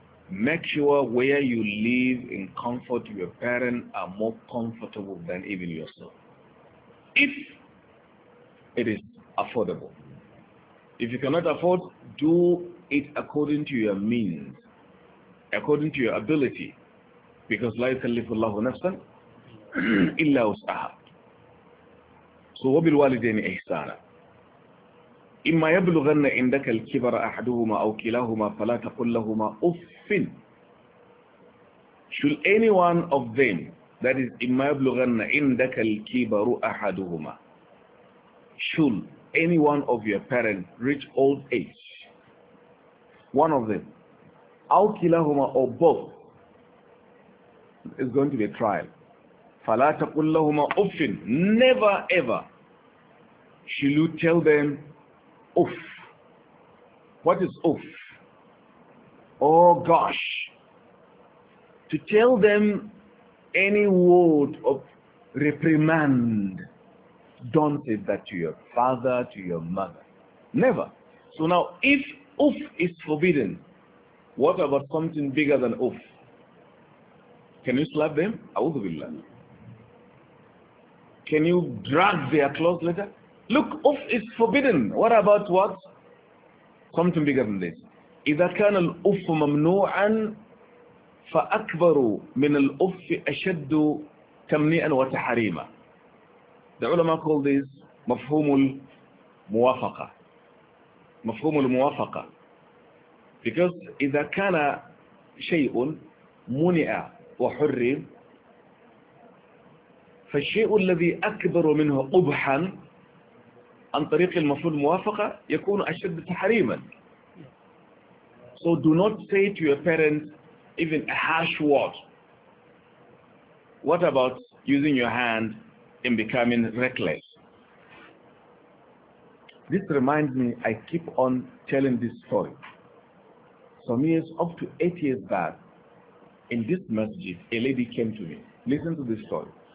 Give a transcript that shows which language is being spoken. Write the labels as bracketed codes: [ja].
[en] Make sure where you live in comfort, your parents are more comfortable than even yourself, if it is affordable. If you cannot afford, do it according to your means, according to your ability, because [ar] لا يكلف الله نفسا إلا وسعها. So وبالوالدين إحسانا. إما يبلغن عندك الكبر أحدهما أو كلاهما فلا تقل لهما أفٍ. [en] Should any one of them, that is, [ar] إما يبلغن عندك الكبر أحدهما, [en] should any one of your parents reach old age, one of them, [ar] أو كلاهما [en] or both, it's going to be a trial. [ar] فلا تقل لهما أفٍ. [en] Never ever should you tell them oof. What is oof? Oh gosh. To tell them any word of reprimand, don't say that to your father, to your mother. Never. So now, if oof is forbidden, what about something bigger than oof? Can you slap them? [ar] A'udhu billah. [en] Can you drag their clothes later? Look, oof is forbidden. What about what? Something bigger than this. [ar] إذا كان الأوف ممنوعا فأكبر من الأوف أشد تمنيئا وتحريما. [en] The ulama call this [ar] مفهوم الموافقة. مفهوم الموافقة. [en] Because [ar] إذا كان شيء منئ وحرم فالشيء الذي أكبر منه قبحا عن طريق المفهوم الموافقة يكون أشد تحريما. [en] So do not say to your parents even a harsh word. What about using your hand in becoming reckless? This reminds me, I keep on telling this story. Some years, up to 8 years back, in this masjid, a lady came to me. Listen to this story.